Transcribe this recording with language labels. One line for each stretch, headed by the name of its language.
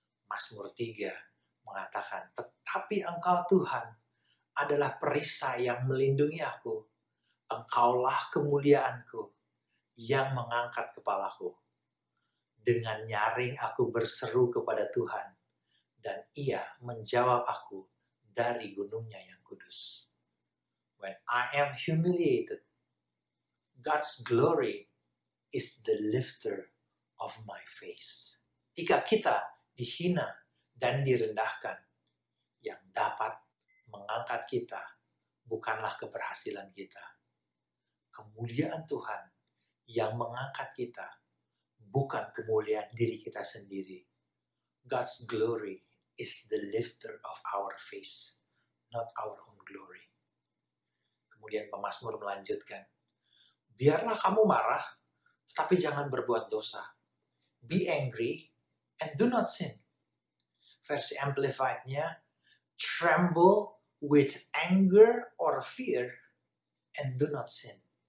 Indonesian: Mazmur 3 mengatakan, "Tetapi Engkau Tuhan adalah perisai yang melindungi aku. Engkaulah kemuliaanku yang mengangkat kepalaku. Dengan nyaring aku berseru kepada Tuhan, dan Ia menjawab aku dari gunungnya yang kudus."
English: When I am humiliated, God's glory is the lifter of my face.
Indonesian: Jika kita dihina dan direndahkan, yang dapat mengangkat kita bukanlah keberhasilan kita. Kemuliaan Tuhan yang mengangkat kita bukan kemuliaan diri kita sendiri.
English: God's glory is the lifter of our face, not our own glory.
Indonesian: Kemudian pemazmur melanjutkan, "Biarlah kamu marah, tetapi jangan berbuat dosa.
English: Be angry and do not sin." Versi amplified-nya, "Tremble with anger or fear and do not sin."